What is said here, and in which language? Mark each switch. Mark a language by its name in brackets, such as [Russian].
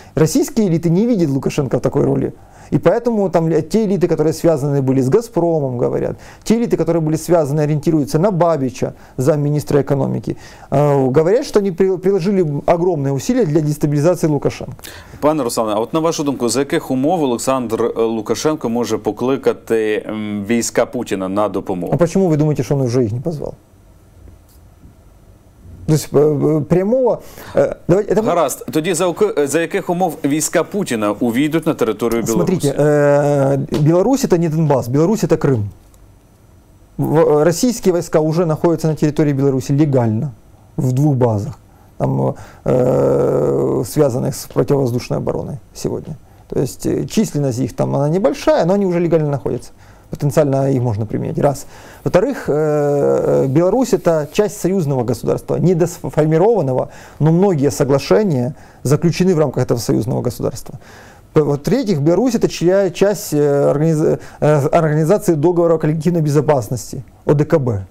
[Russian] Российские элиты не видят Лукашенко в такой роли. И поэтому там те элиты, которые связаны были с Газпромом, говорят, те элиты, которые были связаны, ориентируются на Бабича, замминистра экономики, говорят, что они приложили огромные усилия для дестабилизации Лукашенко. Пане Руслане, а вот на вашу думку, за каких умов Александр Лукашенко может покликать войска Путина на допомогу? А почему вы думаете, что он уже их не позвал? То есть прямого... [Ukrainian] Гаразд, тоді за яких умов війська Путіна увійдуть на територію Білорусі? [Russian] Смотрите, Білорусь – это не Донбас, Білорусь – это Крым. [Ukrainian] Російські війська уже знаходяться на території Білорусі легально, в двух базах, там, связанных с противовоздушной обороной сегодня. [Russian] То есть численность их там, она небольшая, но они уже легально находятся. Потенциально их можно применять. Раз. Во-вторых, Беларусь – это часть союзного государства, недосформированного, но многие соглашения заключены в рамках этого союзного государства. В-третьих, Беларусь – это часть организации договора о коллективной безопасности, ОДКБ.